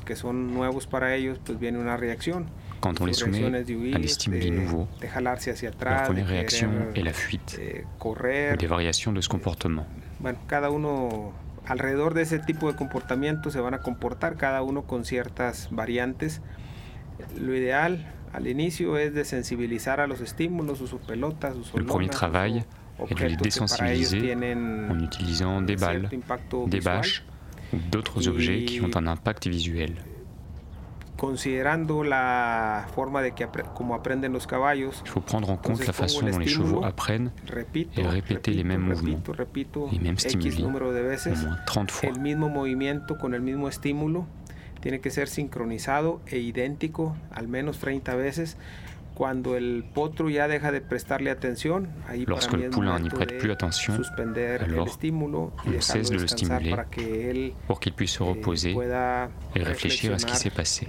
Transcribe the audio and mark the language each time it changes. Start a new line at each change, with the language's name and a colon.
Spanish: que son nuevos para ellos, pues viene una reacción.
French: Quand on les soumet à des stimuli nouveaux, leur première réaction est la fuite,
Spanish: correr,
French: ou des variations de ce comportement.
Spanish: Bueno, cada uno alrededor de ese tipo de comportamiento se van a comportar cada uno con ciertas variantes. Lo ideal al inicio es de sensibilizar a los estímulos, sus pelotas, sus hormonas.
French: Le premier travail est de les désensibiliser en utilisant des balles, des bâches ou d'autres objets qui ont un impact visuel.
Spanish: Considerando la forma de que como aprenden los caballos,
French: il faut prendre en compte la façon dont les chevaux apprennent et répéter les mêmes mouvements, les mêmes stimuli, au moins 30 fois.
Spanish: El mismo movimiento con el mismo estímulo tiene que ser sincronizado e idéntico al menos 30 veces. Cuando el potro ya deja de prestarle atención, ahí
French: lorsque
Spanish: para mí
French: le poulain n'y prête plus attention, alors on cesse de le stimuler pour qu'il puisse se reposer et réfléchir à ce qui s'est passé.